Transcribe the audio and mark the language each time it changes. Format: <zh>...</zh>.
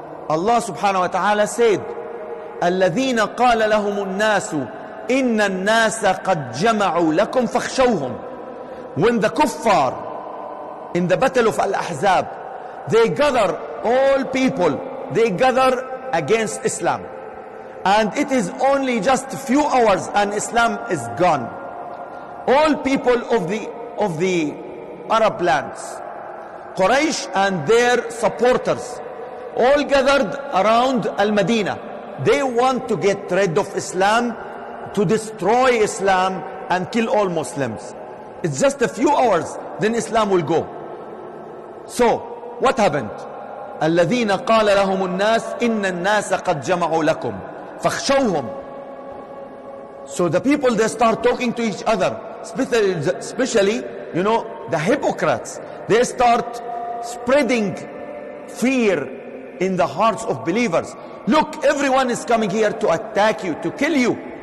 <en>Allah subhanahu wa ta'ala said,</en> <ar>الذين قال لهم الناس إن الناس قد جمعوا لكم فاخشوهم.</ar> <en>When the kuffar in the battle of Al-Ahzab, they gather all people, they gather against Islam, and it is only just few hours and Islam is gone. All people of the Arab lands, Quraysh and their supporters, all gathered around Al-Madinah. They want to get rid of Islam, to destroy Islam and kill all Muslims. It's just a few hours, then Islam will go. So, what happened?</en> <ar>الذين قال لهم الناس إن الناس قد جمعوا لكم فاخشوهم.</ar> <en>So the people, they start talking to each other. Especially, you know, the hypocrites, they start spreading fear in the hearts of believers. Look, everyone is coming here to attack you, to kill you.</en>